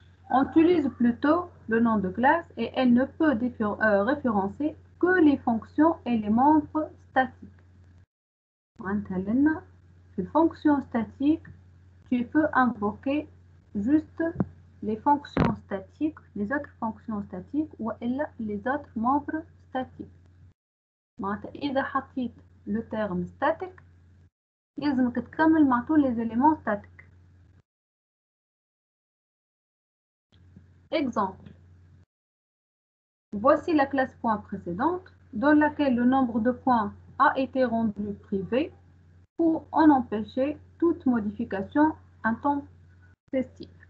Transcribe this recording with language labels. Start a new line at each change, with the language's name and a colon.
French: On utilise plutôt le nom de classe et elle ne peut référencer que les fonctions et les membres statiques. Une fonction statique, tu peux invoquer juste les fonctions statiques, les autres fonctions statiques ou les autres membres statiques.
Arabic: معناتها إذا حطيت لو تيرم ستاتيك يلزمك تكمل مع طول لي زيليمون ستاتيك.
French: اكزامبل، voici la classe point précédente dans laquelle le nombre de points a été rendu privé pour en empêcher toute modification intempestive.